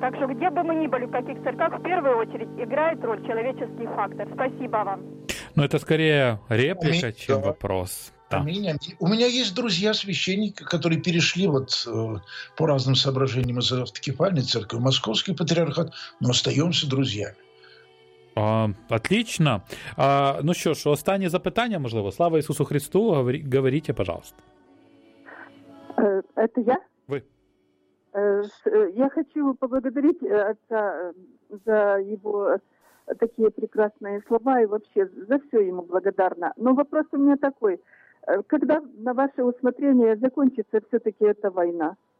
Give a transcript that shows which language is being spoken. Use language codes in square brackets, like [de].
[ru] Так что, где бы мы ни были, в каких церквах, в первую очередь играет роль человеческий фактор. Спасибо вам. Ну, это скорее реплика, чем вопрос. Да. У меня есть друзья священники, которые перешли вот по разным соображениям из автокефальной церкви в Московский патриархат, но остаемся друзьями. Отлично. [uk] Ну що ж, останнє запитання, можливо. Слава Ісусу Христу, [ru] говорите, пожалуйста. Это я? [uk] Ви. [ru] Я хочу поблагодарить отца за его такие прекрасные слова и вообще за все ему благодарна. Но вопрос у меня такой. Когда, на ваше усмотрение, закончится все-таки эта война?